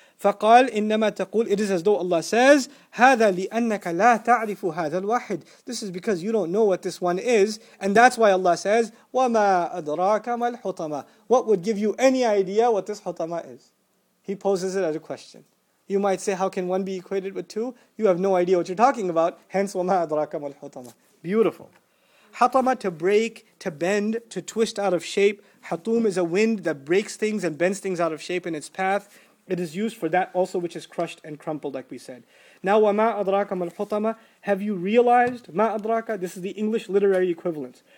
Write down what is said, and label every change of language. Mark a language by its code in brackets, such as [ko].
[ar] فَقَالْ إِنَّمَا تَقُولْ [en] It is as though Allah says, [ar] هَذَا لِأَنَّكَ لَا تَعْرِفُ هَذَا الْوَاحِدِ [en] This is because you don't know what this one is. And that's why Allah says, [ar] وَمَا أَدْرَاكَ مَا الْحُطَمَةِ [en] What would give you any idea what this hutama is? He poses it as a question. You might say, how can one be equated with two? You have no idea what you're talking about. Hence, [ar] وَمَا أَدْرَاكَ مَا الْحُطَمَةِ [en] Beautiful. Hatama, to break, to bend, to twist out of shape. Hatum is a wind that breaks things and bends things out of shape in its path. It is used for that also which is crushed and crumpled, like we said. Now, [ar] وَمَا أَدْرَاكَ مَا الْحُطَمَةِ [en] Have you realized, [ar] مَا أَدْرَاكَ [en] This is the English literary equivalent.